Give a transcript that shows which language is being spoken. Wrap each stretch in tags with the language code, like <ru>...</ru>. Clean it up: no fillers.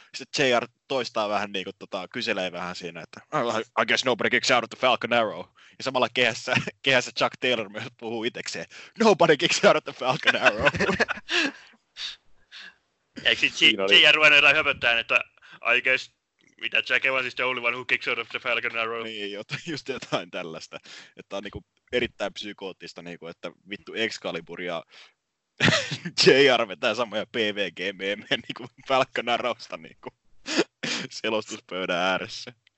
<fi>Sitten JR toistaa vähän niinku kyselee vähän siinä, että</fi> <en>I guess nobody kicks out of the Falcon Arrow.</en> <fi>Ja samalla kehässä Chuck Taylor myös puhuu itsekseen.</fi> <en>Nobody kicks out of the Falcon Arrow.</en> <fi>Eikö sitten JR ruvennut höpöttämään, että</fi> <en>I guess</en> <fi>mitä Jack Evansista oli vain</fi> <en>who kicks out of the Falcon Arrow.</en> <fi>Niin, just jotain tällaista. Että on niinku erittäin psykoottista, niinku, että vittu Excalibur ja JR vetää samoja PVG-meemejä niinku Falcon Arrowsta niinku selostuspöydän ääressä.</fi>